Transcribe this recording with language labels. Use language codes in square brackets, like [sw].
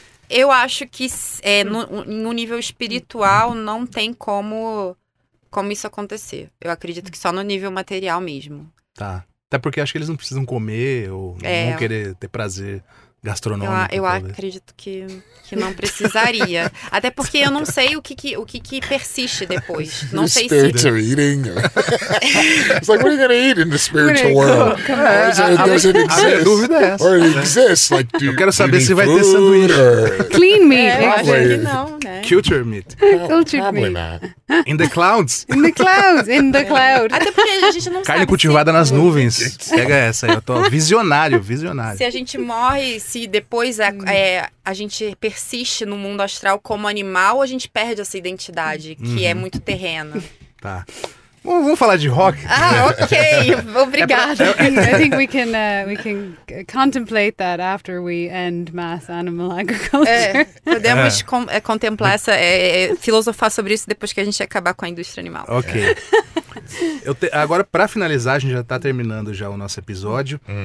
[pt] Eu acho que em um nível espiritual não tem como isso acontecer. Eu acredito que só no nível material mesmo. Tá. Até porque acho que eles não precisam comer ou não querer ter prazer gastronômico. Eu acredito que não precisaria. Até porque eu não sei o que persiste depois. Não sei se... [en] Spiritual eating. It's like, what are you going to eat in the spiritual world? Does it exist? [pt] A dúvida é essa. [en] Or it exists. Like, [pt] eu quero saber se vai ter sanduíche. [en] Clean meat. [pt] Eu acho que não, né? [en] Culture meat. Probably not. In the clouds. In the cloud. [pt] Até porque a gente não sabe. Carne cultivada nas nuvens. Pega essa aí. Eu tô visionário. Se a gente morre, se depois a gente persiste no mundo astral como animal, a gente perde essa identidade, que é muito terrena. Tá. Vamos falar de rock? Ah, ok. Obrigada. [en] I think we can contemplate that after we end mass animal agriculture. [pt] Podemos contemplar essa, filosofar sobre isso depois que a gente acabar com a indústria animal. Ok. Agora, para finalizar, a gente já está terminando já o nosso episódio.